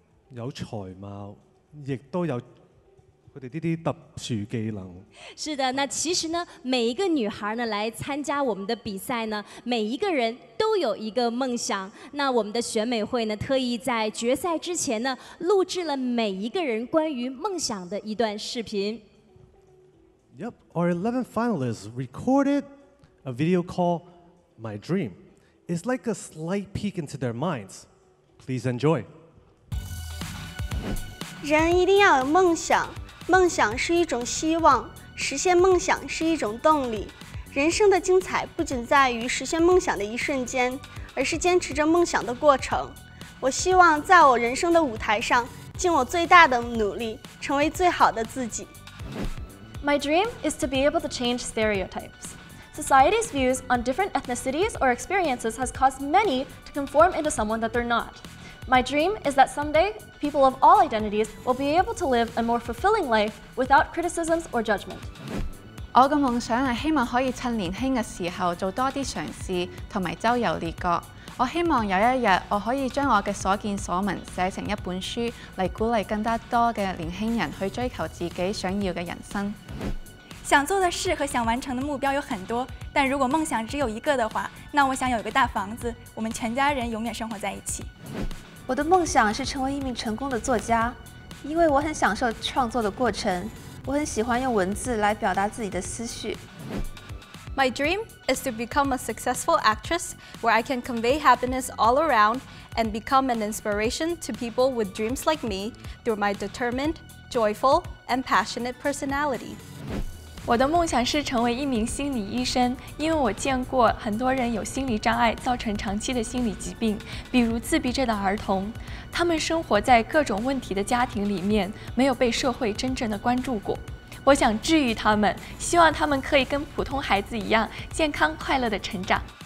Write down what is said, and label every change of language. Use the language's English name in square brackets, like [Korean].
[Chinese] 有才貌，亦都有。他们这些特殊技能，是的，那其实呢，每一个女孩呢来参加我们的比赛呢，每一个人都有一个梦想。那我们的选美会呢特意在决赛之前呢录制了每一个人关于梦想的一段视频。 [English] Yep, our 11 finalists recorded a video called My Dream. It's like a slight peek into their minds. Please enjoy. [Chinese] 人一定要有梦想，梦想是一种希望，实现梦想是一种动力。人生的精彩不仅在于实现梦想的一瞬间，而是坚持着梦想的过程。我希望在我人生的舞台上，尽我最大的努力，成为最好的自己。 [English] My dream is to be able to change stereotypes. Society's views on different ethnicities or experiences has caused many to conform into someone that they're not. My dream is that someday, people of all identities will be able to live a more fulfilling life without criticisms or judgment. [Chinese] 我的梦想是希望可以趁年轻的时候做多些尝试和周游列国。我希望有一天我可以将我的所见所闻写成一本书，来鼓励更多的年轻人去追求自己想要的人生。想做的事和想完成的目标有很多，但如果梦想只有一个的话，那我想有一个大房子，我们全家人永远生活在一起。我的梦想是成为一名成功的作家，因为我很享受创作的过程，我很喜欢用文字来表达自己的思绪。 [English] My dream is to become a successful actress where I can convey happiness all around and become an inspiration to people with dreams like me through my determined, joyful, and passionate personality. [Chinese] 我的梦想是成为一名心理医生，因为我见过很多人有心理障碍造成长期的心理疾病，比如自闭症的儿童，他们生活在各种问题的家庭里面，没有被社会真正的关注过。我想治愈他们，希望他们可以跟普通孩子一样健康快乐的成长。